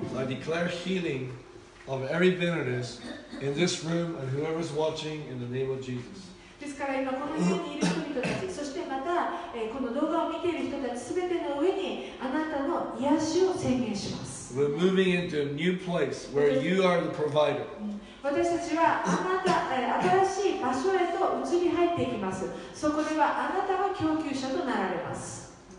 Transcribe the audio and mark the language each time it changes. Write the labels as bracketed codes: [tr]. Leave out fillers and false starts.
[en] I declare healing of every bitterness in this room and whoever is watching in the name of Jesus. [ja] ですから今この家にいる人たち、そしてまた、この動画を見ている人たち、すべての上にあなたの癒しを宣言します。 [en] We're moving into a new place where you are the provider. [ja] 私たちはあなた、新しい場所へと移り入っていきます。そこではあなたが供給者となられます。